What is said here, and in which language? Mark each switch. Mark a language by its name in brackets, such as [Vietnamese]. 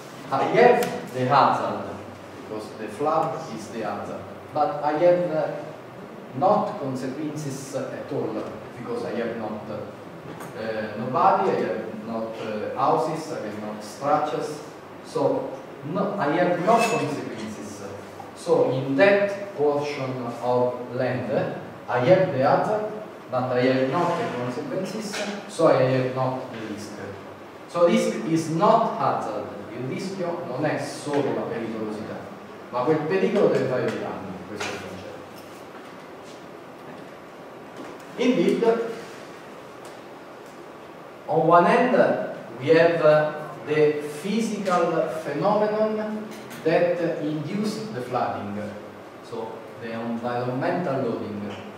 [English] I have the hazard, because the flood is the hazard, but I have not consequences at all, because I have not nobody, I have not houses, I have not structures, so no, I have no consequences. So in that portion of land, I have the hazard, but I have not the consequences, so I have not the risk. So risk is not hazard. [Italian] Il rischio non è solo la pericolosità, ma quel pericolo deve fare dei danni, questo è il concetto. [English] Indeed, on one end we have the physical phenomenon that induced the flooding, so the environmental loading.